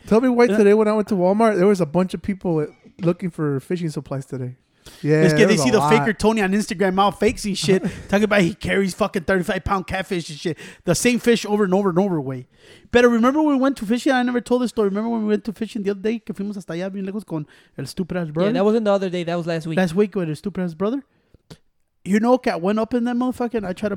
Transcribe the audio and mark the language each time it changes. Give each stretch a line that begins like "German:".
English: Tell me why today when I went to Walmart, there was a bunch of people looking for fishing supplies today. Yeah, let's get they see lot. The faker Tony on Instagram out fakes and shit. Talking about he carries fucking 35-pound catfish and shit. The same fish over and over and over way. But remember when we went to fishing? I never told this story. Remember when we went to fishing the other day?
Spanish: Que fuimos hasta allá bien lejos con el
English: stupid ass brother. Yeah, that wasn't the other day. That was last week. Last week with his stupid ass brother. You know, okay, I went up in that motherfucker and I tried to...